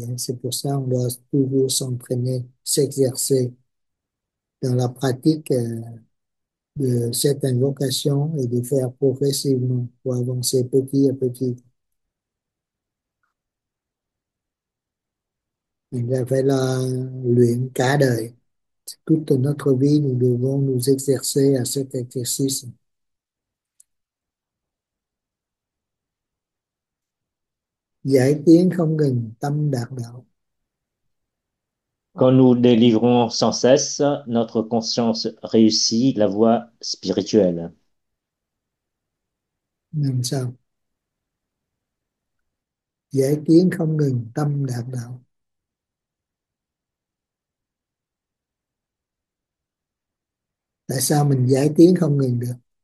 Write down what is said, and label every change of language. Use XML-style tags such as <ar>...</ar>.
<fr>C'est pour ça on doit toujours s'entraîner, s'exercer dans la pratique de cette invocation et de faire progressivement pour avancer petit à petit.</fr> <vi>Mình là phải là luyện cả đời.</vi> <fr>Toute notre vie, nous devons nous exercer à cet exercice.</fr> <vi>Giải tiến không ngừng, tâm đạt đạo.</vi> <fr>Quand nous délivrons sans cesse, notre conscience réussit la voie spirituelle.</fr> <vi>Làm sao? Giải tiến không ngừng, tâm đạt đạo. Tại sao mình giải tiến không ngừng được?</vi>